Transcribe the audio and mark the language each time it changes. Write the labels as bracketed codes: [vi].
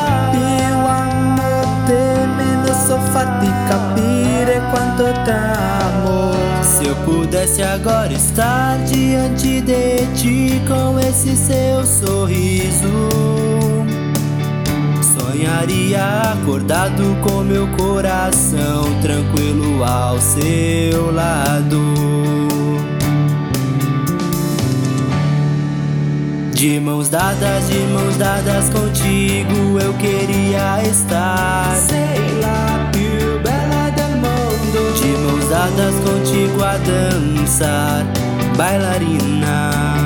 [it] Più amo te, meno so farti capire quanto t'amo. [pt] Se eu pudesse agora estar diante de ti com esse seu sorriso, sonharia acordado com meu coração tranquilo ao seu lado. De mãos dadas contigo eu queria estar. Sei lá, [it] più bella del mundo. [pt] De mãos dadas contigo a dançar, bailarina.